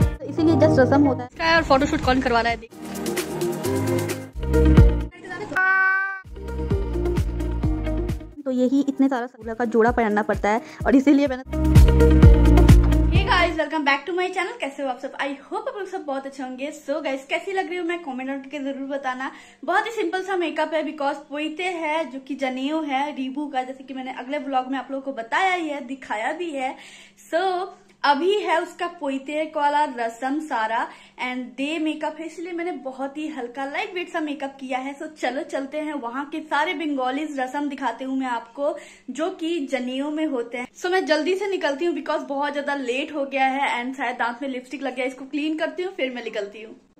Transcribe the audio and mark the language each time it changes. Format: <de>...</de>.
<hi>इसीलिए जस्ट रसम होता है। और फोटोशूट कौन करवाना है? तो यही इतने सारा सूला का जोड़ा पहनना पड़ता है, और इसीलिए मैंने।</hi> <en>Hey guys, welcome back to my channel.</en> <hi>कैसे हो आप सब?</hi> <en>I hope</en> <hi>आप सब बहुत अच्छे होंगे। So guys, कैसी लग रही हो मैं कमेंट करके जरूर बताना। बहुत ही सिंपल सा मेकअप है, बिकॉज पोइते है जो कि जनेऊ है रीबू का, जैसे कि मैंने अगले व्लॉग में आप लोगों को बताया ही है, दिखाया भी है। सो अभी है उसका पोइते वाला रसम सारा, एंड डे मेकअप है, इसलिए मैंने बहुत ही हल्का लाइट वेट सा मेकअप किया है। सो चलो चलते हैं, वहां के सारे बंगालीज रसम दिखाते हूँ मैं आपको जो कि जनेऊ में होते हैं। सो मैं जल्दी से निकलती हूँ, बिकॉज बहुत ज्यादा लेट हो गया है, एंड शायद दांत में लिपस्टिक लग गया, इसको क्लीन करती हूँ फिर मैं निकलती हूँ।</hi>